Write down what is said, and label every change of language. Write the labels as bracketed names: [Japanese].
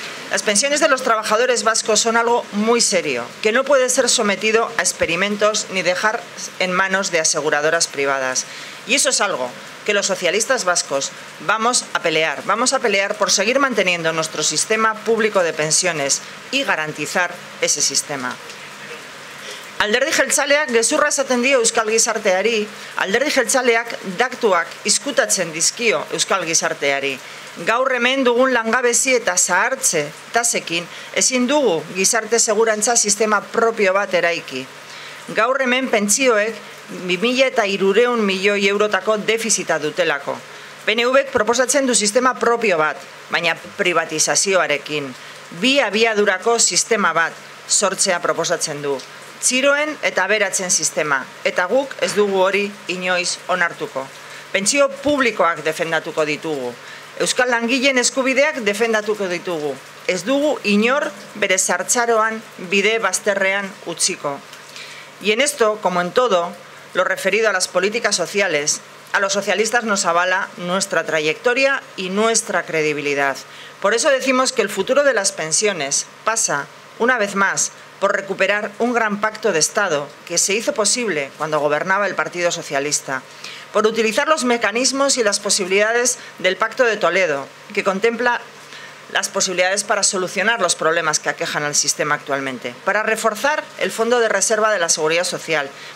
[Spanish] Las pensiones de los trabajadores vascos son algo muy serio, que no puede ser sometido a experimentos ni dejar en manos de aseguradoras privadas. Y eso es algo que los socialistas vascos vamos a pelear. Vamos a pelear por seguir manteniendo nuestro sistema público de pensiones y garantizar ese sistema. [Basque] Alderdi jeltzaleak gezurra esaten dio euskal gizarteari, alderdi jeltzaleak daktuak izkutatzen dizkio euskal gizarteari. Gaur hemen dugun langabezi eta zahartze tasekin ezin dugu gizarte segurantza sistema propio bat eraiki. Gaur hemen pentsioek 2.300 milioi eurotako defizita dutelako. PNVek proposatzen du sistema propio bat, baina privatizazioarekin. Bi abiadurako sistema bat sortzea proposatzen du. Txiroen eta aberatzen sistema, eta guk ez dugu hori inoiz onartuko. Pentsio publikoak defendatuko ditugu. Euskal langileen eskubideak defendatuko ditugu. Ez dugu inor bere zartzaroan bide bazterrean utziko. [Spanish] Y en esto, como en todo, lo referido a las políticas sociales, a los socialistas nos avala nuestra trayectoria y nuestra credibilidad. Por eso decimos que el futuro de las pensiones pasa, una vez más, por recuperar un gran pacto de Estado que se hizo posible cuando gobernaba el Partido Socialista, por utilizar los mecanismos y las posibilidades del Pacto de Toledo, que contempla las posibilidades para solucionar los problemas que aquejan al sistema actualmente, para reforzar el Fondo de Reserva de la Seguridad Social.